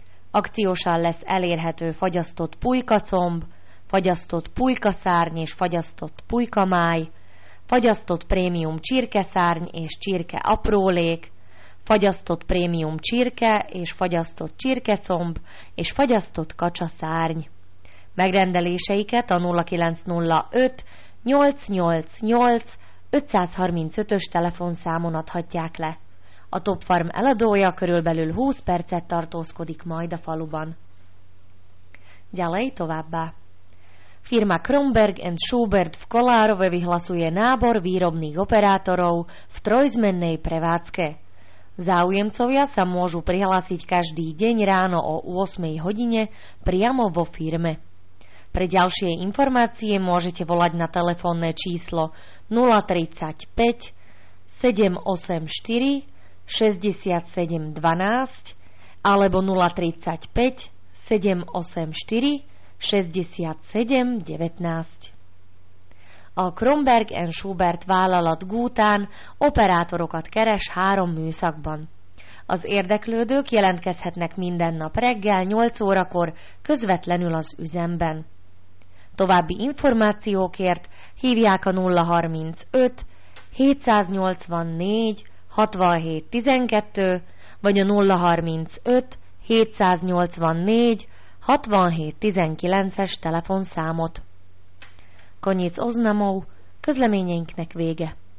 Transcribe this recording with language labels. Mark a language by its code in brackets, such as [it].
[hu] Akciósan lesz elérhető fagyasztott pulykacomb, fagyasztott pulykaszárny és fagyasztott pulykamáj, fagyasztott prémium csirkeszárny és csirke aprólék, fagyasztott prémium csirke és fagyasztott csirkecomb és fagyasztott kacsaszárny. Megrendeléseiket a 0905 888 535-ös telefonszámon adhatják le. A Top Farm eladója körülbelül 20 percet tartózkodik majd a faluban. Gyalej továbbá! [sk] Firma Kronberg & Schubert v Kolárove vyhlasuje nábor výrobných operátorov v trojzmennej prevádzke. Záujemcovia sa môžu prihlásiť každý deň ráno o 8 hodine priamo vo firme. Pre ďalšie informácie môžete volať na telefónne číslo 035 784 67 12 alebo 035 784 67 19. [hu] A Kronberg & Schubert vállalat Gútán operátorokat keres 3 műszakban. Az érdeklődők jelentkezhetnek minden nap reggel 8 órakor közvetlenül az üzemben. További információkért hívják a 035 784 67 12 vagy a 035 784 67 19-es telefonszámot. [sk] Koniec oznamov, [hu] közleményeinknek vége.